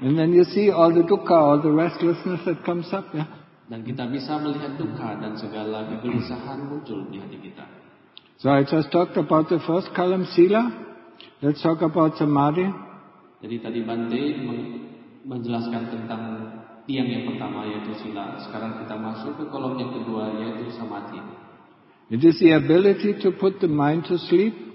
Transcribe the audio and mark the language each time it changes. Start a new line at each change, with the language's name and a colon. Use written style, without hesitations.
English: And then you see all the dukkha, all the restlessness that comes up, yeah.
Indonesian: Dan kita bisa melihat dukkha dan segala kegelisahan muncul di hati kita.
English: So I just talked about the first column, sila. Let's talk about samadhi.
Indonesian: Jadi tadi Bante menjelaskan tentang tiang yang pertama yaitu sila. Sekarang kita masuk ke kolom yang kedua yaitu samadhi.
English: It is the ability to put the mind to sleep.